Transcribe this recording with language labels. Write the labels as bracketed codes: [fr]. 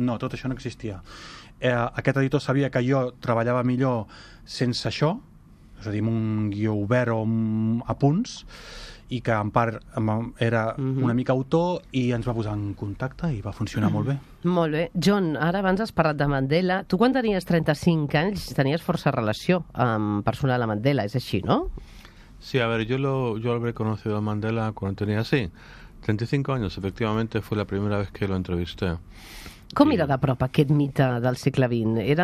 [ca] No, tot això no existia. Aquest editor sabia que jo treballava millor sense això, és a dir, amb un guió obert o a punts, i que en part era una mica autor, i ens va posar en contacte i va funcionar molt bé. Molt bé. John, ara abans has parlat de Mandela. Tu quan tenies 35 anys tenies força relació amb personal a Mandela, és així, no? [es] Sí, a ver, yo lo habré conocido a Mandela cuando tenía, sí, 35 años, efectivamente, fue la primera vez que lo entrevisté. [ca] Com era de prop aquest mite del segle XX?